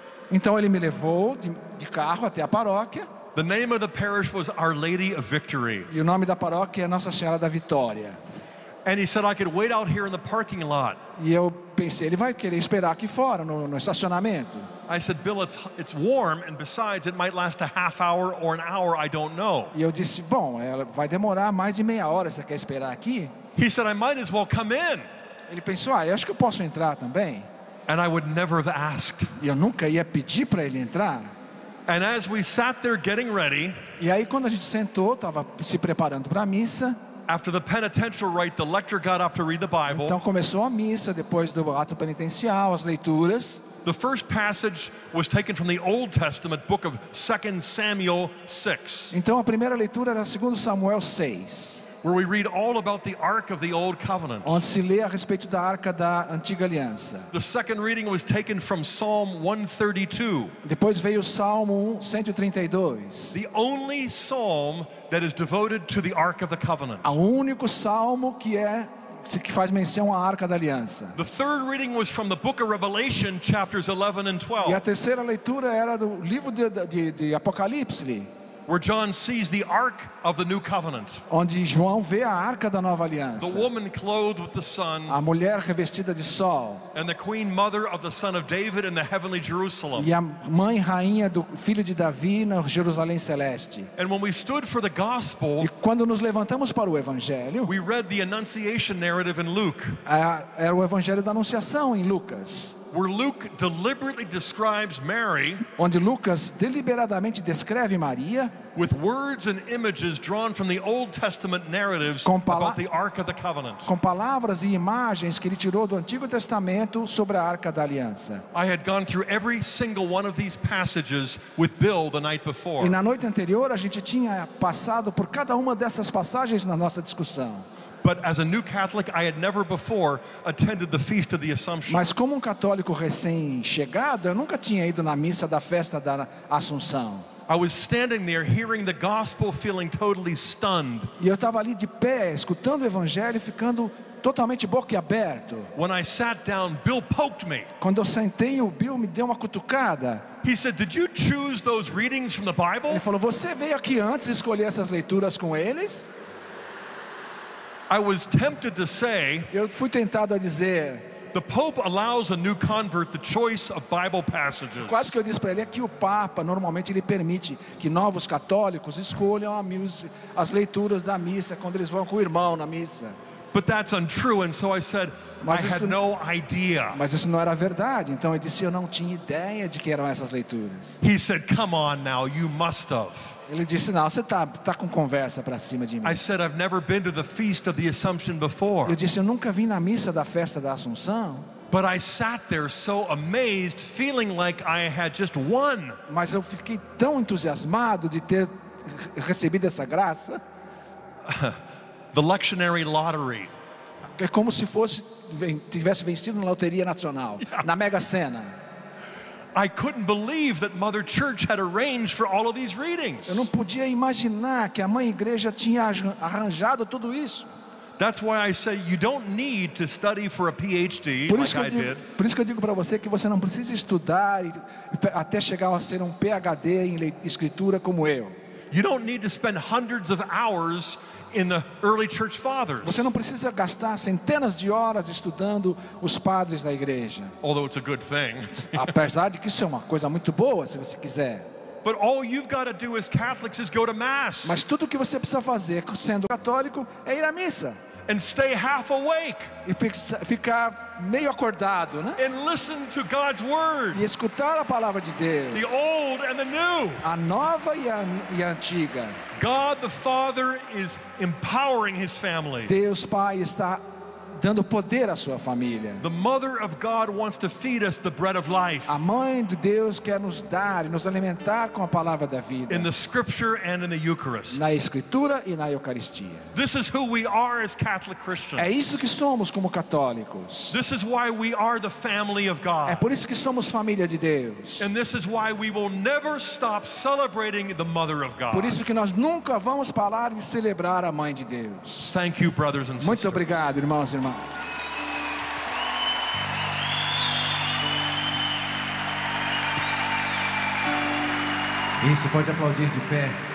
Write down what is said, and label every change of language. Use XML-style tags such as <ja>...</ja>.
<pt>Então ele me levou de carro até a paróquia.</pt> <en>The name of the parish was Our Lady of Victory.</en> <pt>E o nome da paróquia é Nossa Senhora da Vitória.</pt> <en>And he said I could wait out here in the parking lot.</en> <pt>E eu pensei, ele vai querer esperar aqui fora, no estacionamento.</pt> <en>I said, Bill, it's warm, and besides, it might last a half hour or an hour, I don't know.</en> <pt>E eu disse, bom, ela vai demorar mais de meia hora, você quer esperar aqui?</pt> <en>He said, I might as well come in.</en> <pt>Ele pensou, ah, eu acho que eu posso entrar também.</pt> <en>And I would never have asked.</en> <pt>E eu nunca ia pedir para ele entrar.</pt> <en>And as we sat there getting ready,</en> <pt>e aí quando a gente sentou, tava se preparando para a missa.</pt> <en>After the penitential rite, the lector got up to read the Bible.</en> <pt>Então começou a missa depois do ato penitencial, as leituras.</pt> <en>The first passage was taken from the Old Testament book of 2 Samuel 6.</en> <pt>Então a primeira leitura era 2 Samuel 6.</pt> <en>Where we read all about the Ark of the Old Covenant.</en> <pt>Onde se lê a respeito da Arca da Antiga Aliança.</pt> <en>The second reading was taken from Psalm 132.</en> <pt>Depois veio o Salmo 132.</pt> <en>The only psalm that is devoted to the Ark of the Covenant.</en> <pt>O único salmo que faz menção à Arca da Aliança.</pt> <en>The third reading was from the book of Revelation, chapters 11 and 12.</en> <pt>E a terceira leitura era do livro de Apocalipse.</pt> <en>Where John sees the Ark of the New Covenant.</en> <pt>Onde João vê a Arca da Nova Aliança.</pt> <en>The woman clothed with the sun.</en> <pt>A mulher revestida de sol.</pt> <en>And the queen mother of the son of David in the heavenly Jerusalem.</en> <pt>E a mãe rainha do filho de Davi na Jerusalém Celeste.</pt> <en>And when we stood for the gospel,</en> <pt>e quando nos levantamos para o Evangelho,</pt> <en>we read the Annunciation narrative in Luke.</en> <pt>Era o Evangelho da Anunciação em Lucas.</pt> <en>Where Luke deliberately describes Mary,</en> <pt>onde Lucas deliberadamente descreve Maria,</pt> <en>with words and images drawn from the Old Testament narratives about the Ark of the Covenant.</en> <pt>Com palavras e imagens que ele tirou do Antigo Testamento sobre a Arca da Aliança.</pt> <en>I had gone through every single one of these passages with Bill the night before.</en> <pt>E na noite anterior a gente tinha passado por cada uma dessas passagens na nossa discussão.</pt> <en>But as a new Catholic, I had never before attended the Feast of the Assumption.</en> <pt>Mas como católico recém-chegado, eu nunca tinha ido na missa da festa da Assunção.</pt> <en>I was standing there hearing the gospel, feeling totally stunned.</en> <pt>E eu estava ali de pé, escutando o evangelho, ficando totalmente boquiaberto.</pt> <en>When I sat down, Bill poked me.</en> <pt>Quando eu sentei, o Bill me deu uma cutucada.</pt> <en>He said, "Did you choose those readings from the Bible?"</en> <pt>Ele falou, "Você veio aqui antes escolher essas leituras com eles?"</pt> <en>I was tempted to say,</en> <pt>eu fui tentado a dizer,</pt> <en>the Pope allows a new convert the choice of Bible passages.</en> <pt>Quase que eu disse para ele que o Papa normalmente ele permite que novos católicos escolham as leituras da missa quando eles vão com o irmão na missa.</pt> <en>But that's untrue, and so I said, I had no idea.</en> <pt>Mas isso não era verdade. Então eu disse, eu não tinha ideia de que eram essas leituras.</pt> <en>He said, "Come on now, you must have."</en> <pt>Ele disse, não, você tá com conversa para cima de mim.</pt> <en>I said, "I've never been to the Feast of the Assumption before."</en> <pt>Eu disse, eu nunca vim na missa da festa da Assunção.</pt> <en>But I sat there so amazed, feeling like I had just won.</en> <pt>Mas eu fiquei tão entusiasmado de ter recebido essa graça.</pt> <en>The lectionary lottery.</en> <pt>É como se tivesse vencido na loteria nacional, yeah. Na Mega Sena.</pt> <en>I couldn't believe that Mother Church had arranged for all of these readings.</en> <pt>Eu não podia imaginar que a mãe igreja tinha arranjado tudo isso.</pt> <en>That's why I say you don't need to study for a PhD like I did.</en> <pt>Por isso que eu digo para você que você não precisa estudar até chegar a ser PhD em escritura como eu.</pt> <en>You don't need to spend hundreds of hours in the early church fathers.</en> <pt>Você não precisa gastar centenas de horas estudando os padres da igreja.</pt> <en>Although it's a good thing.</en> <pt>Apesar de que isso é uma coisa muito boa, se você quiser.</pt> <en>But all you've got to do as Catholics is go to mass.</en> <pt>Mas tudo que você precisa fazer sendo católico é ir à missa.</pt> <en>And stay half awake.</en> <pt>E ficar meio acordado, né?</pt> <en>And listen to God's word.</en> <pt>E escutar a palavra de Deus.</pt> <en>The old and the new.</en> <pt>A nova e a antiga.</pt> <en>God the Father is empowering his family.</en> <pt>Deus Pai está dando poder à sua família.</pt> <en>The mother of God wants to feed us the bread of life.</en> <pt>A mãe de Deus quer nos dar e nos alimentar com a palavra da vida.</pt> <en>In the scripture and in the Eucharist.</en> <pt>Na escritura e na Eucaristia.</pt> <en>This is who we are as Catholic Christians.</en> <pt>É isso que somos como católicos.</pt> <en>This is why we are the family of God.</en> <pt>É por isso que somos família de Deus.</pt> <en>And this is why we will never stop celebrating the mother of God.</en> <pt>Por isso que nós nunca vamos parar de celebrar a mãe de Deus.</pt> <en>Thank you, brothers and sisters.</en> <pt>Muito obrigado, irmãos. Isso, pode aplaudir de pé.</pt>